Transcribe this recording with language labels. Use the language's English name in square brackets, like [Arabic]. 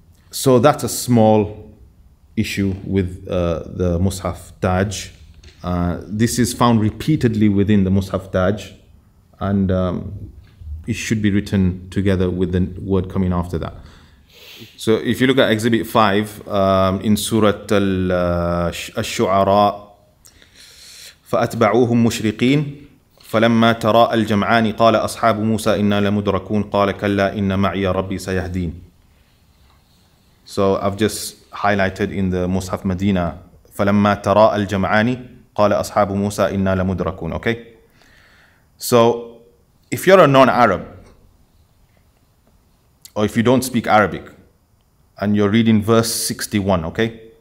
[English] So that's a small issue with the Mus'haf Taj. This is found repeatedly within the Mus'haf Taj, and it should be written together with the word coming after that. So if you look at Exhibit 5, in Surah Al-Shu'ara, [Arabic] فَأَتْبَعُوهُمْ مُشْرِقِينَ فَلَمَّا تَرَاءَ الْجَمْعَانِ قَالَ أَصْحَابُ مُوسَىٰ إِنَّا لَمُدْرَكُونَ قَالَ كَلَّا إِنَّ مَعِيَ رَبِّي سَيَهْدِينَ. [English] So I've just highlighted in the Mus'haf Medina, [Arabic] فَلَمَّا تَرَاءَ الْجَمْعَانِ قَالَ أَصْحَابُ مُوسَىٰ إِنَّا لَمُدْرَكُونَ. [English] Okay? So if you're a non-Arab, or if you don't speak Arabic, and you're reading verse 61, okay?